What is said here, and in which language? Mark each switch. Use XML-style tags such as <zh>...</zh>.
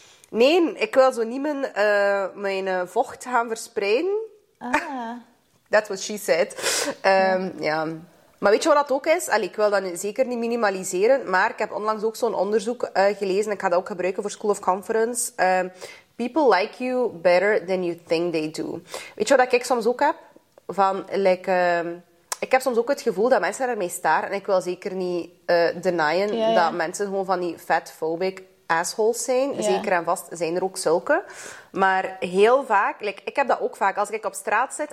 <nl>Nee, ik wil zo niet mijn vocht gaan verspreiden. Ah.</nl> <en>That's what she said.</en> <nl>Ja. Maar weet je wat dat ook is? Allee, ik wil dat zeker niet minimaliseren, maar ik heb onlangs ook zo'n onderzoek gelezen. Ik ga dat ook gebruiken voor School of Conference.</nl> <en>People like you better than you think they do.</en> <nl>Weet je wat ik soms ook heb? Van, like, ik heb soms ook het gevoel dat mensen ermee staren. En ik wil zeker niet denyen dat mensen gewoon van die fatphobic assholes zijn. Ja. Zeker en vast zijn er ook zulke. Maar heel vaak, like, ik heb dat ook vaak als ik op straat zit.</nl>